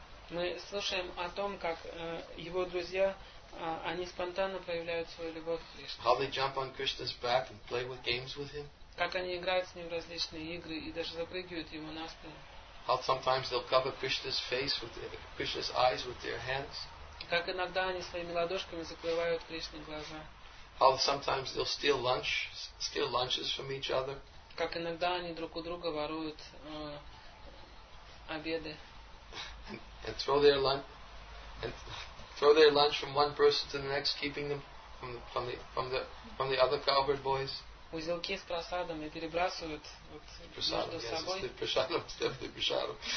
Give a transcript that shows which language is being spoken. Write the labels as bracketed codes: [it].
[ru] Мы слушаем о том, как его друзья, они спонтанно проявляют свою любовь к Кришне. Как они играют с ним в различные игры и даже запрыгивают ему на спину. [en] How sometimes they'll cover Krishna's eyes with their hands. [ru] Как иногда они своими ладошками закрывают Кришне глаза. [en] How sometimes they'll steal lunches from each other. [ru] Как иногда они друг у друга воруют обеды. [en] And throw their lunch from one person to the next, keeping them from the other cowherd boys. [ru] Узелки с просадом и перебрасывают вот, между собой. Yes, прасадом, стефты прасадом.